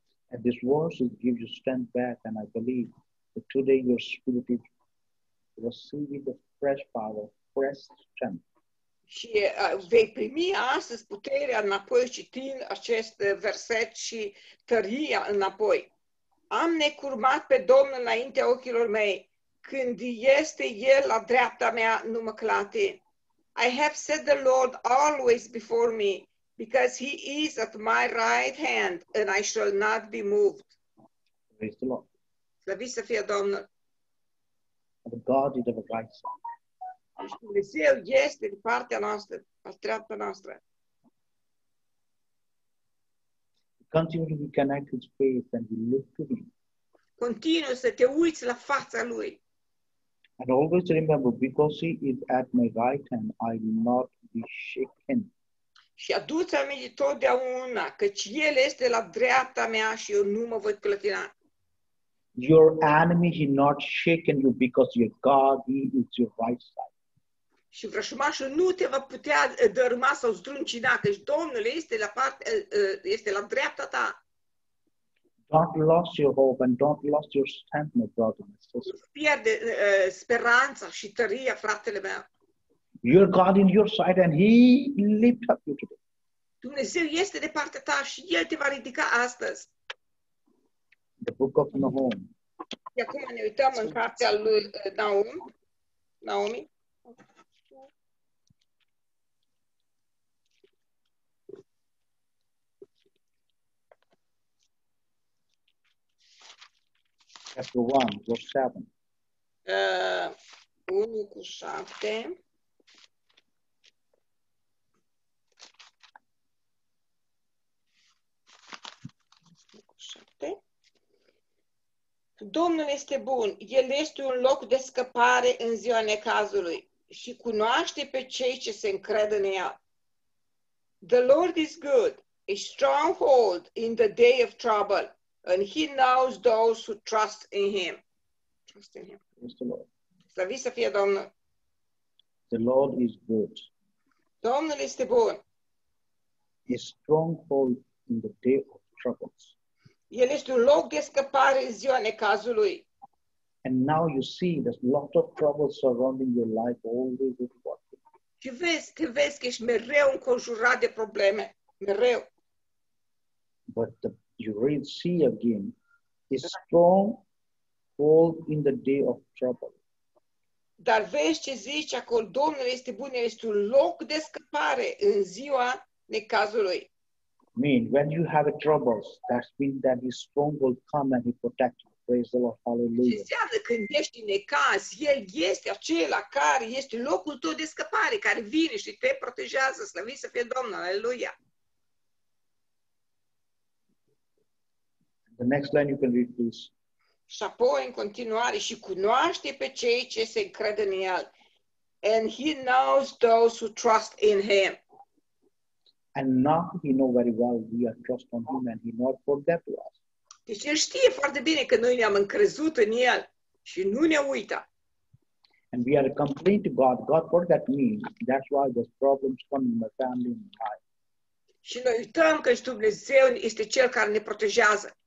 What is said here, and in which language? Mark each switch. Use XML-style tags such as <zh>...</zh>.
<en>And this verse gives you strength back, and I believe that today your spirit is receiving the fresh power, fresh strength.</en> <ro>Și vei primi astăzi puterea înapoi citind acest verset și tăria înapoi. Am necurmat pe Domnul înaintea ochilor mei. Când este El la dreapta mea, nu mă clate.</ro> <en>I have set the Lord always before me, because He is at my right hand, and I shall not be moved. Praise the Lord.</en> <ro>Slăviți să fie Domnul.</ro> <en>The God is ever right side.</en> <ro>Dumnezeu este de partea noastră, al treapta noastră.</ro> <en>Continue to connect with faith and look to Him.</en> <ro>Continuă să te uiți la fața Lui.</ro> <en>And always remember, because He is at my right hand, I will not be shaken.</en> <ro>Și adu-ți aminte totdeauna, căci El este la dreapta mea și eu nu mă voi clătina.</ro> <en>Your enemy is not shaken you, because your God, He is your right side.</en> <ro>Și vrășmașul nu te va putea dărâma sau zdruncina, căci Domnul este la este la dreapta ta.</ro> <en>Don't lose your hope and don't lose your strength, my brother, my sister.</en> <ro>Nu pierde speranța și tăria, fratele meu.</ro> <en>Your God in your side and He lift up you today.</en> <ro>Dumnezeu este de partea ta și El te va ridica astăzi.</ro> <en>The book of Nahum.</en> <ro>Și acum ne uităm în cartea lui Naomi.</ro> <en>Chapter 1, verse 7.</en> <ro>1 cu 7. Domnul este bun, El este un loc de scăpare în ziua necazului și cunoaște pe cei ce se încred în El.</ro> <en>The Lord is good, a stronghold in the day of trouble. And He knows those who trust in Him. Trust in Him.</en> <ro>Slăviți să fie Domnul.</ro> <en>The Lord is good.</en> <ro>Domnul este bun.</ro> <en>A stronghold in the day of troubles.</en> <ro>El este un loc de scăpare în ziua necazului.</ro> <en>And now you see there's lot of troubles surrounding your life, always with what.</en> <ro>Și vezi, te vezi că ești mereu înconjurat de probleme. Mereu.</ro> <en>But you read, see again, a strong hold in the day of trouble.</en> <ro>Dar vezi ce zice acolo, Domnul este bun, este un loc de scăpare în ziua necazului.</ro> <en>Mean, when you have a troubles, that's mean that His strong will come and He protect you. Praise the Lord, hallelujah.</en> <ro>Ce înseamnă când ești în necaz, El este acela care este locul tău de scăpare, care vine și te protejează, slăviți să fie Domnul, hallelujah.</ro> <en>The next line you can read, please.</en> <ro>Și apoi în continuare și cunoaște pe cei ce se încred în el.</ro> <en>And he knows those who trust in him. And now he knows very well we are trust on him and he not forget to us.</en> <ro>Deci el știe foarte bine că noi ne-am încrezut în el și nu ne uită.</ro> <en>And we are complaining to God. God, what that means? That's why there's problems come in the family and life.</en> <ro>Și noi uităm că Dumnezeu este cel care ne protejează.</ro>